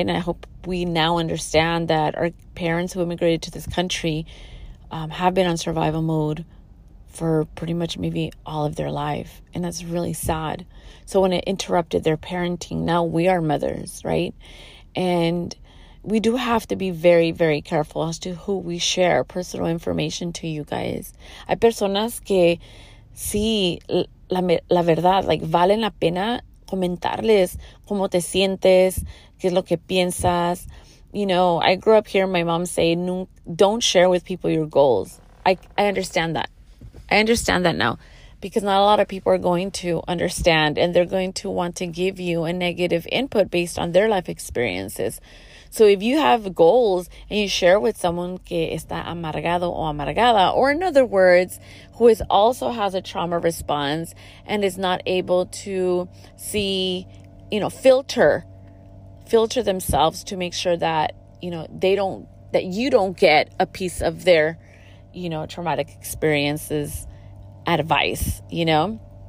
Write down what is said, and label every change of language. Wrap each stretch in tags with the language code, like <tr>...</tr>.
<en>And I hope we now understand that our parents who immigrated to this country have been on survival mode for pretty much maybe all of their life. And that's really sad. So when it interrupted their parenting, now we are mothers, right? And we do have to be very, very careful as to who we share personal information to, you guys.</en> <es>Hay personas que sí, la verdad, like, valen la pena comentarles cómo te sientes, qué es lo que piensas.</es> <en>You know, I grew up hearing my mom say, don't share with people your goals. I understand that. I understand that now. because not a lot of people are going to understand, and they're going to want to give you a negative input based on their life experiences. So if you have goals and you share with someone</en> <es>que está amargado o amargada,</es> <en>or in other words, who is also has a trauma response and is not able to see, you know, filter themselves to make sure that, you know, that you don't get a piece of their, you know, traumatic experiences advice, you know.</en>